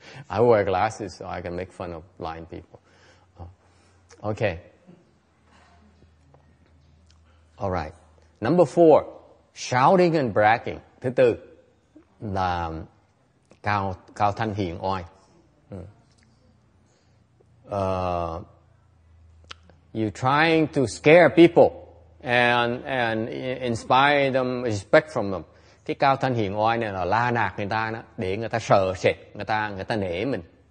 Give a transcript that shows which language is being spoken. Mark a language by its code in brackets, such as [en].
[en] I wear glasses so I can make fun of blind people. Okay. All right. Number four, shouting and bragging. [vi] Thứ tư là cao thanh hiền oai. [en] You're trying to scare people and inspire them, respect from them. [vi] Cái cao thanh hiền oai này là la nạt người ta đó, để người ta sợ sệt, người ta nể mình.